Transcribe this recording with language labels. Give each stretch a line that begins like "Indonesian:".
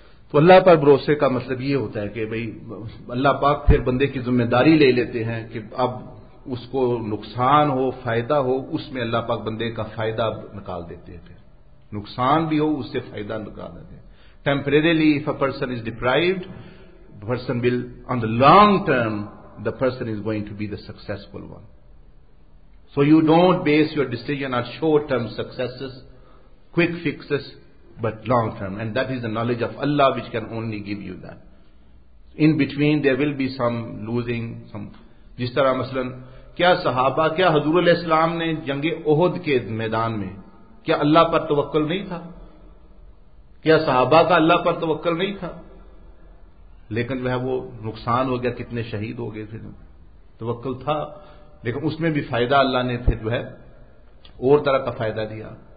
Urdu: تو اللہ پر بھروسے کا مطلب یہ ہوتا ہے کہ بھئی اللہ پاک پھر بندے کی ذمہ داری لے لیتے ہیں کہ اب اس کو نقصان ہو فائدہ ہو اس میں اللہ پاک بندے کا فائدہ نکال دیتے ہیں, پھر نقصان بھی ہو اس سے فائدہ نکال دیتے ہیں.
English: Temporarily if a person is deprived person will on the long term the person is going to be the successful one. So you don't base your decision on short term successes quick fixes but long term, and that is the knowledge of Allah which can only give you that. In between there will be some losing some,
Urdu: جس طرح مثلا کیا صحابہ کیا حضور علیہ السلام نے جنگ احد کے میدان میں کیا اللہ پر توکل نہیں تھا؟ کیا صحابہ کا اللہ پر توکل نہیں تھا؟ لیکن جو ہے وہ نقصان ہو گیا, کتنے شہید ہو گئے, پھر توکل تھا لیکن اس میں بھی فائدہ اللہ نے پھر جو ہے اور طرح کا فائدہ دیا.